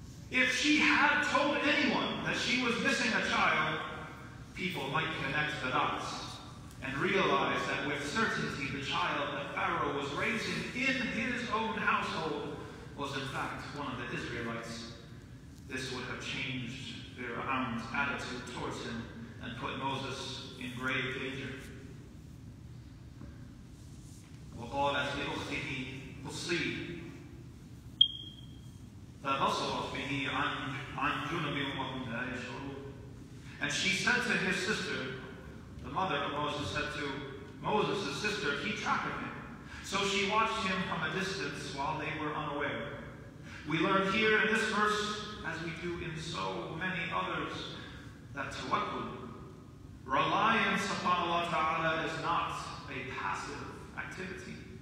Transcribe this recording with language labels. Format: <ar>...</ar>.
<en>If she had told anyone that she was missing a child, people might connect the dots and realize that with certainty the child that Pharaoh was raising in his own household was in fact one of the Israelites. This would have changed Pharaoh's attitude towards him and put Moses in grave danger.</en> <ar>وقال لأخته قصيه فبصرت به عن جنب وهم لا يشعرون.</ar> <en>And she said to his sister, the mother of Moses said to Moses' sister, keep track of him. So she watched him from a distance while they were unaware. We learn here in this verse, as we do in so many others, that tawakkul, reliance upon Allah Ta'ala, is not a passive activity.</en>